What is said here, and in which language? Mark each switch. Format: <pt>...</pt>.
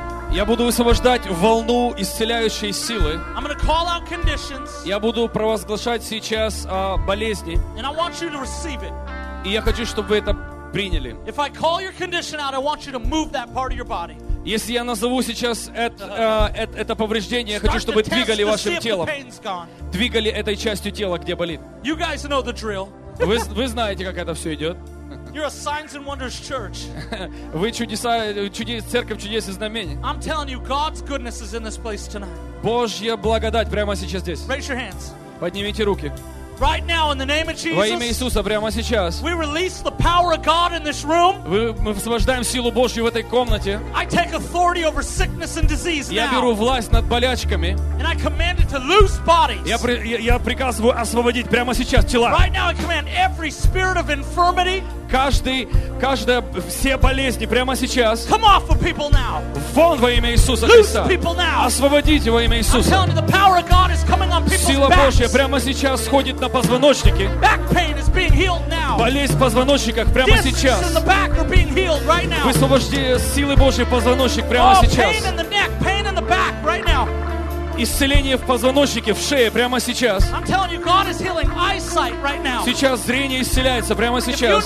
<ru>Я буду высвобождать волну исцеляющей силы.</ru> <en>I'm going to call out conditions.</en> <ru>Я буду провозглашать сейчас болезни.</ru> <en>And I want you to receive it.</en> <ru>И я хочу, чтобы вы это приняли.</ru> <en>If I call your condition out, I want you to move that part of your body.</en> <ru>Если я назову сейчас это повреждение, я хочу, чтобы двигали вашим телом. Двигали этой частью тела, где болит.</ru> <en>You guys know the drill.</en> <ru>Вы знаете, как это все идет.</ru> <en>You're a signs and wonders church.</en> <ru>Вы чудеса, церковь чудес и знамений.</ru> <en>I'm telling you, God's goodness is in this place tonight.</en> <ru>Божья благодать прямо сейчас здесь.</ru> <en>Raise your hands.</en> <ru>Поднимите руки.</ru> <en>Right now, in the name of Jesus.</en> <ru>Во имя Иисуса прямо сейчас.</ru> <en>We release the power of God in this room.</en> <ru>Мы высвобождаем силу Божью в этой комнате.</ru> <en>I take authority over sickness and disease now.</en> <ru>Я беру власть над болячками.</ru> <en>And I command it to loose bodies.</en> <ru>Я приказываю освободить прямо сейчас тела.</ru> <en>Right now, I command every spirit of infirmity.</en> <ru>Каждая все болезни прямо сейчас.</ru> <en>Come off of people now.</en> <ru>Вон во имя Иисуса</ru> <en>Христа. Loose people now.</en> <ru>Освободите во имя Иисуса.</ru> <en>I'm telling you, the power of God is coming on people's backs.</en> <ru>Сила Божья прямо сейчас сходит на позвоночнике.</ru> <en>Back pain is being healed now.</en> <ru>Болезнь в позвоночниках прямо</ru> <en>Discs</en> <ru>сейчас.</ru> <en>In the back are being healed right now.</en> <ru>Высвобождение силы Божьей в позвоночник прямо сейчас.</ru> <en>Pain in the neck, pain in the back right now.</en> <ru>Исцеление в позвоночнике, в шее прямо сейчас.</ru> <en>I'm telling you, God is healing eyesight right now.</en> <ru>Сейчас зрение исцеляется прямо сейчас.</ru>